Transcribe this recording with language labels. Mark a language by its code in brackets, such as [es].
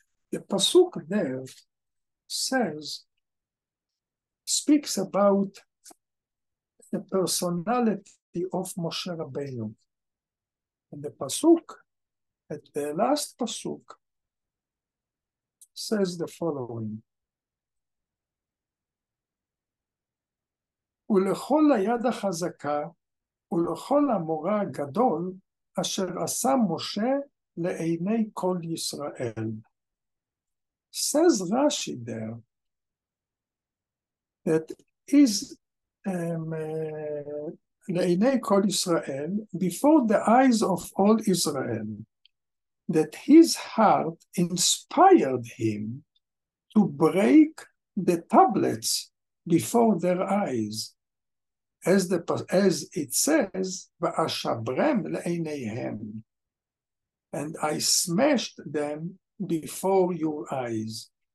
[en] The Pasuk there speaks about the personality of Moshe Rabbeinu. And the Pasuk, at the last Pasuk, says the following. [he] ולכל היד החזקה, ולכל המורה הגדול, אשר עשה משה לעיני כל ישראל. [en] Says Rashi there that is le'inei kol Israel, before the eyes of all Israel, that his heart inspired him to break the tablets before their eyes, as it says, va'ashabrem le'ineihem, and I smashed them before your eyes.